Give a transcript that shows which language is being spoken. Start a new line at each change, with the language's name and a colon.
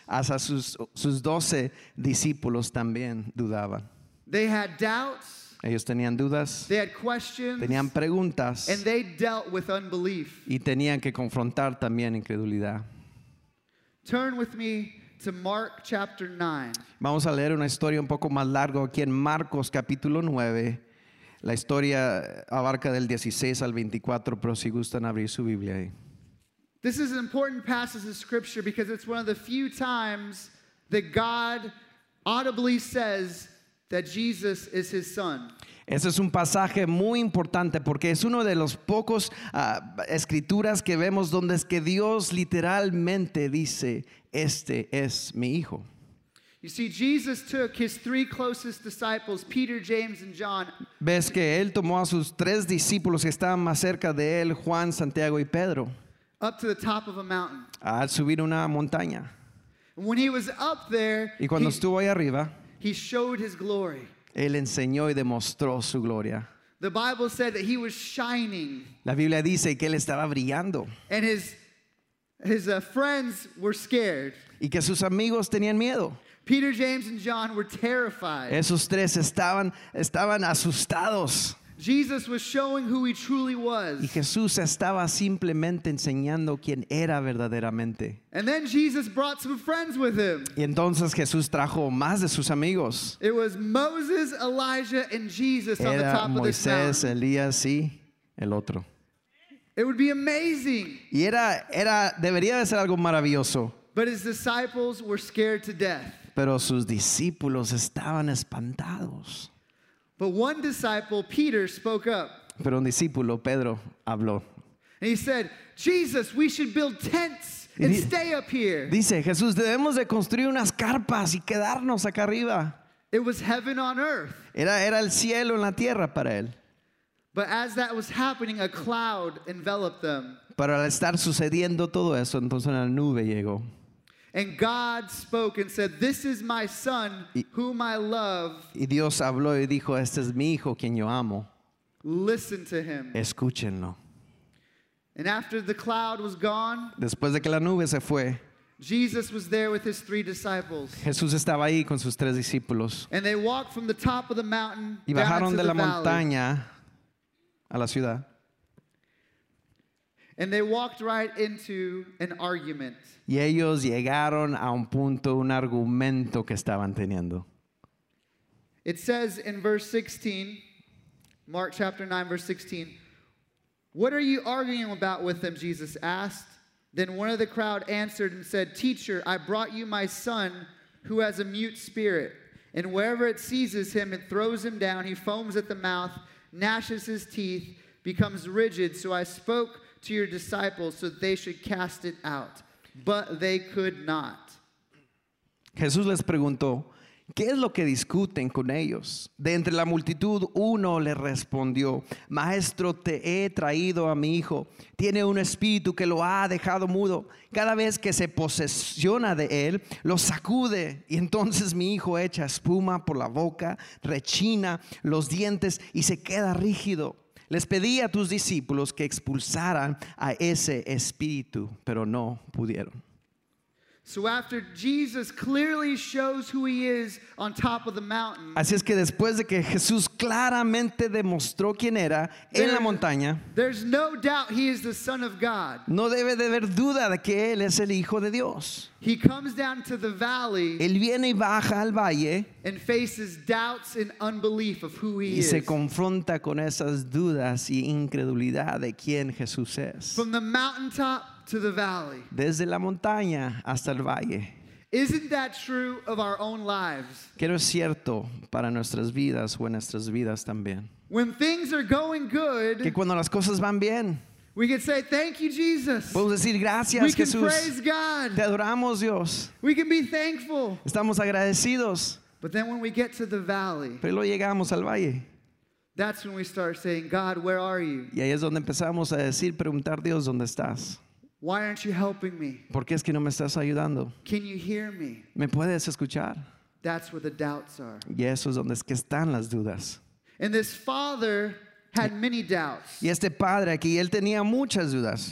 Spanish: hasta sus 12 discípulos también dudaban.
English: They had doubts.
Spanish: Ellos tenían dudas,
English: they had questions,
Spanish: tenían preguntas,
English: and they dealt with unbelief.
Spanish: Y tenían que confrontar también incredulidad.
English: Turn with me to Mark chapter 9.
Spanish: Vamos a leer una historia un poco más largo aquí en Marcos capítulo 9. La historia abarca del 16 al 24, pero si gustan abrir su Biblia ahí.
English: This is an important passage of scripture because it's one of the few times that God audibly says that Jesus is his son.
Spanish: Ese es un pasaje muy importante porque es uno de los pocos escrituras que vemos donde es que Dios literalmente dice, este es mi hijo.
English: You see, Jesus took his three closest disciples, Peter, James, and John.
Spanish: Ves que él tomó a sus tres discípulos que estaban más cerca de él, Juan, Santiago, y Pedro.
English: Up to the top of a mountain.
Spanish: Al subir una montaña.
English: And when he was up there,
Spanish: y cuando estuvo ahí arriba,
English: he showed his glory.
Spanish: Él enseñó y demostró su gloria.
English: The Bible said that he was shining.
Spanish: La Biblia dice que él estaba brillando.
English: And his friends were scared.
Spanish: Y que sus amigos tenían miedo.
English: Peter, James, and John were terrified.
Spanish: Esos tres estaban asustados.
English: Jesus was showing who he truly was.
Spanish: Y Jesús estaba simplemente enseñando quién era verdaderamente.
English: And then Jesus brought some friends with him.
Spanish: Y entonces Jesús trajo más de sus amigos.
English: It was Moses, Elijah, and Jesus
Spanish: era
English: on the top
Spanish: Moisés,
English: of the mountain.
Spanish: Moisés, Elías y el otro.
English: It would be amazing.
Spanish: Y era debería de ser algo maravilloso.
English: But his disciples were scared to death.
Spanish: Pero sus discípulos estaban espantados.
English: But one disciple, Peter, spoke up.
Spanish: Pero un discípulo, Pedro, habló.
English: And he said, "Jesus, we should build tents and stay up here."
Spanish: Dice, Jesús, debemos de construir unas carpas y quedarnos acá arriba.
English: It was heaven on earth.
Spanish: Era el cielo en la tierra para él.
English: But as that was happening, a cloud enveloped them.
Spanish: Pero al estar sucediendo todo eso, entonces una nube llegó.
English: And God spoke and said, "This is my son, whom I love."
Spanish: Y Dios habló y dijo, "Este es mi hijo, quien yo amo."
English: Listen to him.
Spanish: Escúchenlo.
English: And after the cloud was gone,
Spanish: después de que la nube se fue,
English: Jesus was there with his three disciples.
Spanish: Jesús estaba ahí con sus tres discípulos.
English: And they walked from the top of the mountain down to the
Spanish: valley. Y bajaron de la montaña a la ciudad.
English: And they walked right into an argument.
Spanish: Y ellos llegaron a un punto, un argumento que estaban teniendo.
English: It says in verse 16, Mark chapter 9, verse 16, "What are you arguing about with them?" Jesus asked. Then one of the crowd answered and said, "Teacher, I brought you my son who has a mute spirit. And wherever it seizes him, it throws him down. He foams at the mouth, gnashes his teeth, becomes rigid. So I spoke to your disciples so that they should cast it out. But they could not."
Spanish: Jesús les preguntó, "¿Qué es lo que discuten con ellos?" De entre la multitud, uno le respondió, "Maestro, te he traído a mi hijo. Tiene un espíritu que lo ha dejado mudo. Cada vez que se posesiona de él, lo sacude. Y entonces mi hijo echa espuma por la boca, rechina los dientes y se queda rígido. Les pedí a tus discípulos que expulsaran a ese espíritu, pero no pudieron."
English: So after Jesus clearly shows who he is on top of the mountain.
Spanish: Así es que después de que Jesús claramente demostró quién era en la montaña.
English: There's no doubt he is the Son of God.
Spanish: No debe de haber duda de que él es el Hijo de Dios.
English: He comes down to the valley.
Spanish: Él viene y baja al valle.
English: And faces doubts and unbelief of who he is.
Spanish: Y se confronta con esas dudas y incredulidad de quién Jesús es.
English: From the mountaintop to the valley.
Spanish: Desde la montaña hasta el valle.
English: Isn't that true of our own lives?
Spanish: ¿Qué no es cierto para nuestras vidas o en nuestras vidas también?
English: When things are going good,
Spanish: que cuando las cosas van bien,
English: we can say thank you, Jesus.
Spanish: Podemos decir gracias, Jesús.
English: We can praise God.
Spanish: Te adoramos, Dios.
English: We can be thankful.
Spanish: Estamos agradecidos.
English: But then when we get to the valley,
Spanish: pero luego llegamos al valle,
English: that's when we start saying, God, where are you?
Spanish: Y ahí es donde empezamos a decir, preguntar a Dios, ¿dónde estás?
English: Why aren't you helping me?
Spanish: ¿Por qué es que no me estás ayudando?
English: Can you hear me?
Spanish: ¿Me puedes escuchar?
English: That's where the doubts are.
Spanish: Y eso es donde es que están las dudas.
English: And this father had many doubts.
Spanish: Y este padre aquí, él tenía muchas dudas.